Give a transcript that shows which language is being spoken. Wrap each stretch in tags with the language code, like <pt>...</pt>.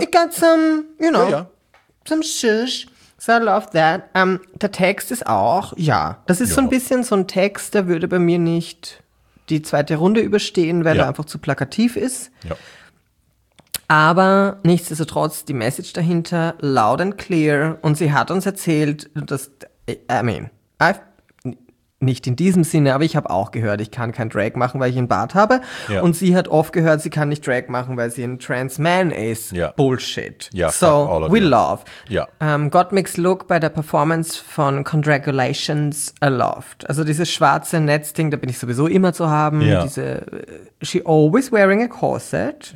<en>It got some, you know, some shush. So I love that.</en> <de>Der Text ist auch, das ist so ein bisschen so ein Text, der würde bei mir nicht die zweite Runde überstehen, weil er einfach zu plakativ ist. Ja. Aber nichtsdestotrotz, die Message dahinter,</de> <en>loud and clear.</en> <de>Und sie hat uns erzählt, dass,</de> <en>I mean,</en> <de>nicht in diesem Sinne, aber ich habe auch gehört, ich kann kein Drag machen, weil ich einen Bart habe. Ja. Und sie hat oft gehört, sie kann nicht Drag machen, weil sie ein Trans-Man ist. Ja. Bullshit. Ja,</de> <en>so, we love.</en> <de>Ja. Gottmik's Look bei der Performance von Congratulations,</de> <en>I loved.</en> <de>Also dieses schwarze Netzding, da bin ich sowieso immer zu haben. Ja. Diese,</de> <en>she always wearing a corset.</en>